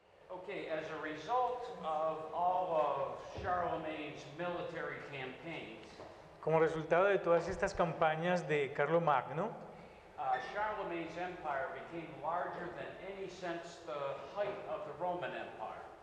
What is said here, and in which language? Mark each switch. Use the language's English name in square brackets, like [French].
[English] Okay, as a result of all of Charlemagne's military campaigns, [Spanish] como resultado de todas estas campañas de Carlomagno, [English] Charlemagne's empire became larger than any since the height of the Roman Empire.